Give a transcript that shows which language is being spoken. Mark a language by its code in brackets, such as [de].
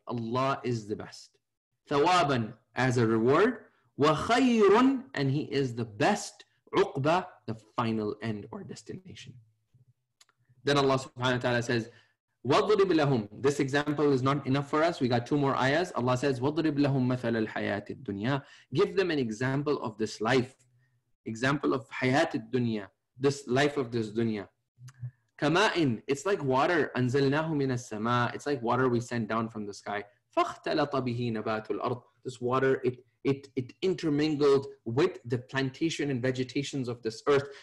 [en] Allah is the best. Thawaban, as a reward. Wa khayrun, and he is the best. Uqba, the final end or destination. Then Allah subhanahu wa ta'ala says, [ar] وَضْرِبْ لَهُمْ. [en] This example is not enough for us. We got two more ayahs. Allah says, [ar] وَضْرِبْ لَهُمْ مَثَلَ الْحَيَاةِ الدُّنْيَا. [en] Give them an example of this life. Example of [ar] حَيَاةِ الدُّنْيَا. [en] This life of this dunya. [ar] كَمَاءٍ. [en] It's like water. [ar] أَنْزَلْنَاهُ مِنَ السَّمَاءِ. [en] It's like water we send down from the sky. [ar] فَاخْتَلَطَ بِهِ نَبَاتُ الْأَرْضِ. [en] This water, it intermingled with the plantation and vegetations of this earth.